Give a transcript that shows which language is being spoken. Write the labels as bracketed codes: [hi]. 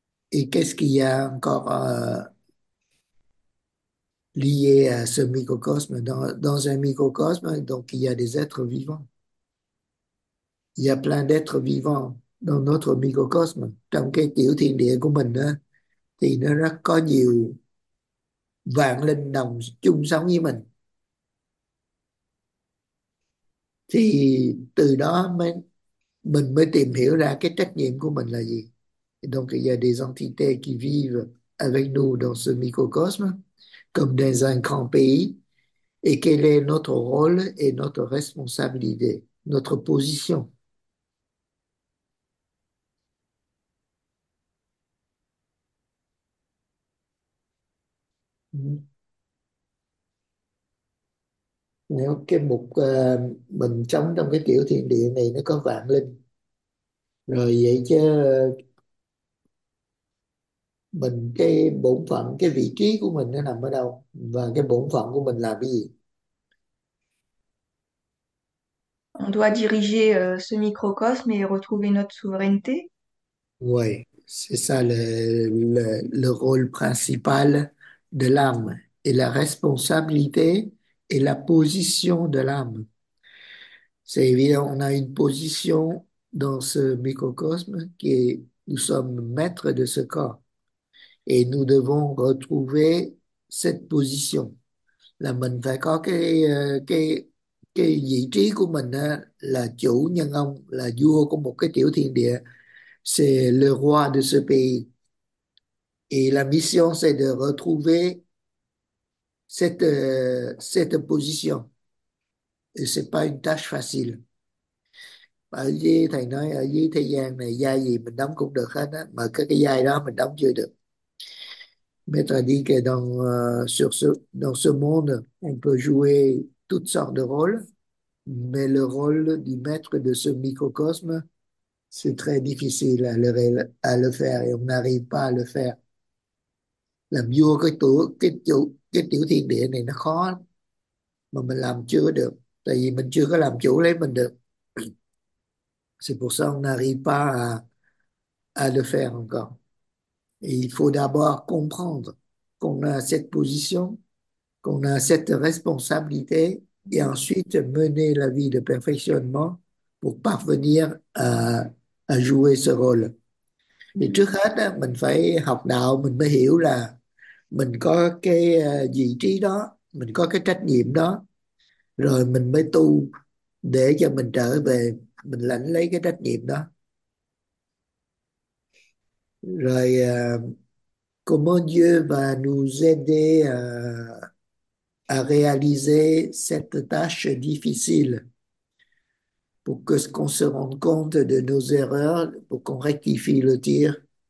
[fr] Et qu'est-ce qu'il y a encore lié à ce microcosme? Dans un microcosme, donc, il y a des êtres vivants. Il y a plein d'êtres vivants dans notre microcosme. [vi] Trong cái tiểu thiên địa của mình, đó, thì nó rất có nhiều vạn linh đồng chung sống với mình. Thì từ đó mình mới tìm hiểu ra cái trách nhiệm của mình là gì. [fr] Donc il y a des entités qui vivent avec nous dans ce microcosme, comme dans un grand pays, et quel est notre rôle et notre responsabilité, notre position. [vi] Nếu cái mục mình sống trong cái kiểu thiền địa này nó có vạn linh rồi vậy chứ mình cái bổn phận cái vị trí của mình nó nằm ở đâu và cái bổn phận của mình là cái gì? [fr] On doit diriger ce microcosme et retrouver notre souveraineté. Oui, c'est ça le rôle principal de l'âme et la responsabilité. Et la position de l'âme. C'est évident, on a une position dans ce microcosme qui est, nous sommes maîtres de ce corps. Et nous devons retrouver cette position. [vi] Là mình phải có cái vị trí của mình là chủ nhân ông, là vua của một cái tiểu thiên địa. [fr] C'est le roi de ce pays. Et la mission, c'est de retrouver cette position. Et c'est pas une tâche facile. [vi] Ở dưới, thầy nói ở dưới thế gian này giai gì mình đóng cũng được hết á, mà cái giai đó mình đóng chưa được. [fr] Maître a dit que dans ce monde on peut jouer toutes sortes de rôles, mais le rôle du maître de ce microcosme C'est très difficile à le faire et on n'arrive pas à le faire. [vi] Làm vua cái tiểu thiên địa này nó khó lắm. Mà mình làm chưa được, tại vì mình chưa có làm chủ lấy mình được. [fr] C'est pour ça qu'on n'arrive pas à le faire encore. Il faut d'abord comprendre qu'on a cette position, qu'on a cette responsabilité et ensuite mener la vie de perfectionnement pour parvenir à jouer ce rôle. [vi] Thì trước hết mình phải học đạo mình mới hiểu là mình có cái vị trí đó, mình có cái trách nhiệm đó, rồi mình mới tu để cho mình trở về, mình lãnh lấy cái trách nhiệm đó. [fr] Rồi, comment Dieu va nous aider à réaliser cette tâche difficile pour que ce qu'on se rende compte de nos erreurs, pour qu'on rectifie le tir.